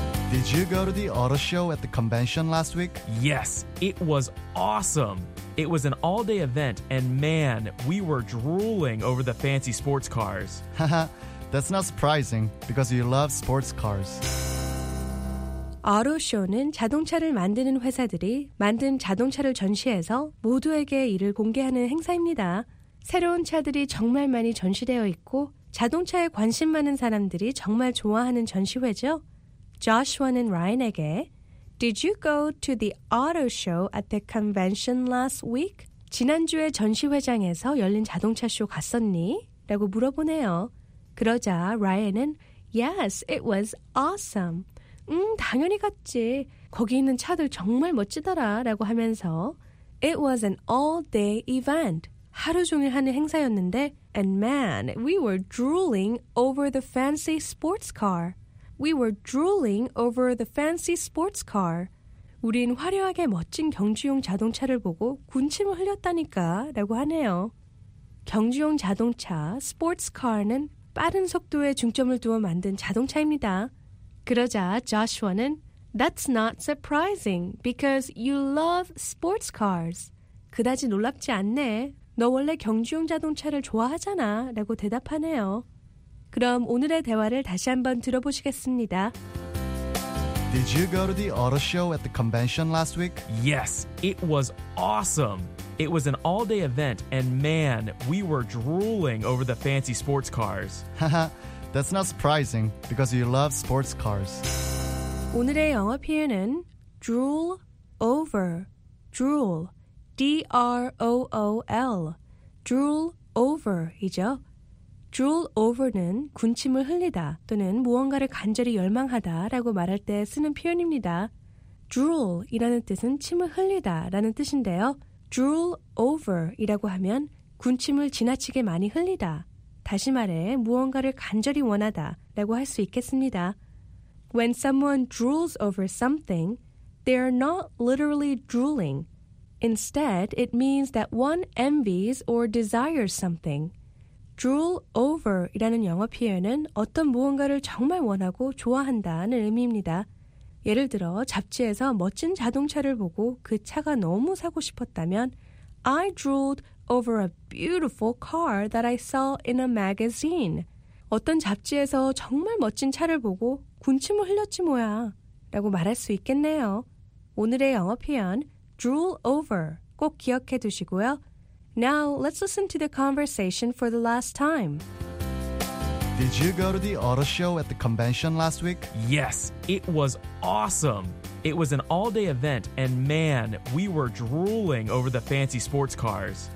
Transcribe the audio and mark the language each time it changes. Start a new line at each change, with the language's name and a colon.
English: Did you go to the auto show at the convention last week? Yes, it was awesome. It was an all-day event, and man, we were drooling over the fancy sports cars. Haha, that's not surprising, because you love sports cars.
Korean: Auto Show는 자동차를 만드는 회사들이 만든 자동차를 전시해서 모두에게 이를 공개하는 행사입니다. 새로운 차들이 정말 많이 전시되어 있고 자동차에 관심 많은 사람들이 정말 좋아하는 전시회죠. Joshua는 Ryan에게
English: Did you go to the auto show at the convention last week?
Korean: 지난주에 전시회장에서 열린 자동차 쇼 갔었니? 라고 물어보네요. 그러자 라이언은
English: Yes, it was awesome.
Korean: 당연히 갔지. 거기 있는 차들 정말 멋지더라 라고 하면서
English: It was an all-day event.
Korean: 하루 종일 하는 행사였는데
English: And man, we were drooling over the fancy sports car. We were drooling over the fancy sports car.
Korean: 우린 화려하게 멋진 경주용 자동차를 보고 군침을 흘렸다니까 라고 하네요. 경주용 자동차, sports car는 빠른 속도에 중점을 두어 만든 자동차입니다. 그러자
English: Joshua는 That's not surprising because you love sports cars.
Korean: 그다지 놀랍지 않네. 너 원래 경주용 자동차를 좋아하잖아 라고 대답하네요. 그럼 오늘의 대화를 다시 한번 들어보시겠습니다. Did you go to the auto show at the convention last week? Yes, it was awesome. It was an all-day event, and man, we were drooling over the fancy sports cars. Haha, that's not surprising, because you love sports cars. 오늘의 영어 표현은 drool over, drool, D-R-O-O-L, drool over이죠. Drool over는 군침을 흘리다 또는 무언가를 간절히 열망하다 라고 말할 때 쓰는 표현입니다. Drool이라는 뜻은 침을 흘리다 라는 뜻인데요. Drool over이라고 하면 군침을 지나치게 많이 흘리다. 다시 말해 무언가를 간절히 원하다 라고 할 수 있겠습니다.
English: When someone drools over something, they are not literally drooling. Instead, it means that one envies or desires something.
Korean: Drool over이라는 영어 표현은 어떤 무언가를 정말 원하고 좋아한다는 의미입니다. 예를 들어 잡지에서 멋진 자동차를 보고 그 차가 너무 사고 싶었다면
English: I drooled over a beautiful car that I saw in a magazine.
Korean: 어떤 잡지에서 정말 멋진 차를 보고 군침을 흘렸지 뭐야 라고 말할 수 있겠네요. 오늘의 영어 표현 drool over 꼭 기억해 두시고요.
English: Now, let's listen to the conversation for the last time. Did you go to the auto show at the convention last week? Yes, it was awesome. It was an all-day event, and man, we were drooling over the fancy sports cars.